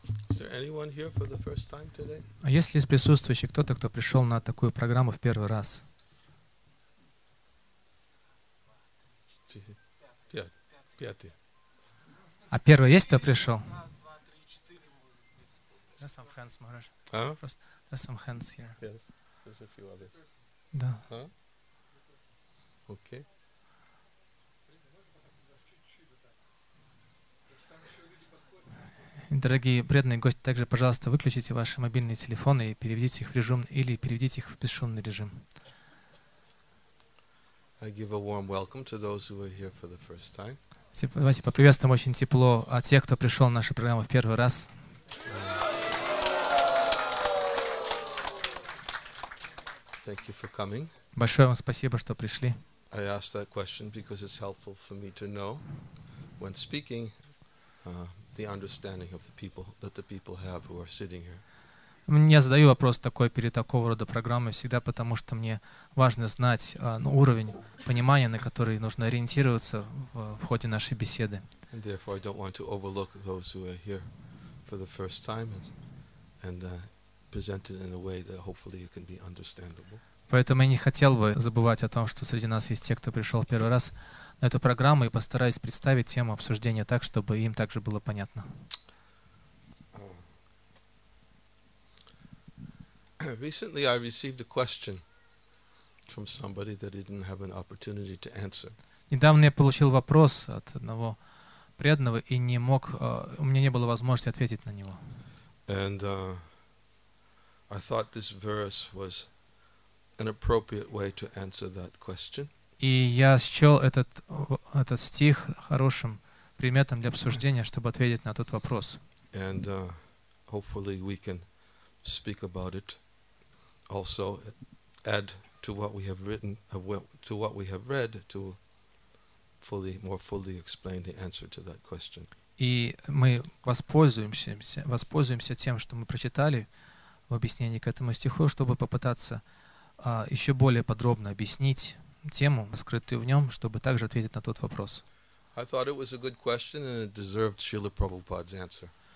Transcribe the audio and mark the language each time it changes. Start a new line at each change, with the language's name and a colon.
English: Is there anyone here for the first time today?
Russian: А есть ли из присутствующих кто-то, кто пришел на такую программу в первый раз? Пятый. А первый есть, кто пришел?
English: There's some hands, Maharaj. Huh? First, there's some hands here. Yes, there's a few others.
Russian: Da.
English: Huh? Okay.
Russian: Дорогие преданные гости, также, пожалуйста, выключите ваши мобильные телефоны и переведите их в режим или переведите их в бесшумный режим.
English: I give a warm welcome to those who are here for the first time.
Russian: Давайте поприветствуем очень тепло от тех, кто пришел в нашу программу в первый раз.
English: Thank you for coming.
Russian: Большое вам спасибо, что пришли.
English: I asked that question because it's helpful for me to know when speaking the understanding of the people that the people have who are sitting here.
Russian: Мне задаю вопрос такой перед такого рода программой всегда, потому что мне важно знать уровень понимания, на который нужно ориентироваться в ходе нашей беседы.
English: And therefore I don't want to overlook those who are here for the first time presented in a way that hopefully it can be understandable.
Russian: Поэтому я не хотел бы забывать о том, что среди нас есть те, кто пришел в первый раз на эту программу, и постараюсь представить тему обсуждения так, чтобы им также было понятно.
English: Recently I received a question from somebody that I didn't have an opportunity to answer.
Russian: Недавно я получил вопрос от одного преданного и не мог, у меня не было возможности ответить на него.
English: And I thought this verse was an appropriate way to answer that question.
Russian: И я счел этот стих хорошим предметом для обсуждения, чтобы ответить на тот вопрос.
English: And hopefully we can speak about it also, add to what we have written, to what we have read, to fully, more fully explain the answer to that question.
Russian: И мы воспользуемся тем, что мы прочитали в объяснении к этому стиху, чтобы попытаться еще более подробно объяснить тему, скрытую в нем, чтобы также ответить на тот вопрос.
English: I thought it was a good question and it deserved Srila Prabhupada's answer.